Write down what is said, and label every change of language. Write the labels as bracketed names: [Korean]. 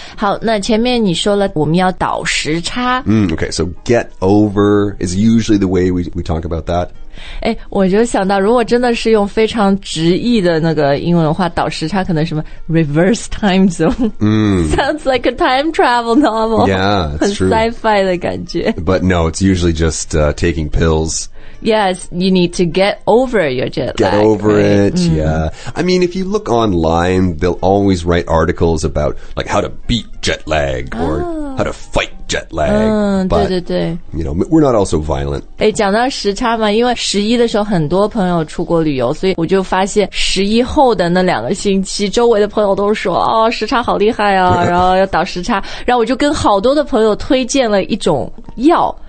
[Chinese] 好，那前面你说了我们要倒时差。 [English] Okay, so get over is usually the way we talk about that. [Chinese] 诶，我就想到，如果真的是用非常直译的那个英文的话，倒时差可能什么 [English] reverse time zone. Sounds like a time travel novel. Yeah, it's true. [Chinese] 很 sci-fi 的感觉。 [English] But no, it's usually just taking pills. Yes, you need to get over your jet lag. Get over right? it, yeah. I mean, if you look online, they'll always write articles about, like, how to beat jet lag or how to fight jet lag. But, [Chinese] 对对对 [English] you know, we're not also violent. [Chinese] 诶讲到时差嘛因为十一的时候很多朋友出国旅游所以我就发现十一后的那两个星期周围的朋友都说哦时差好厉害啊然后要倒时差。然后我就跟好多的朋友推荐了一种药。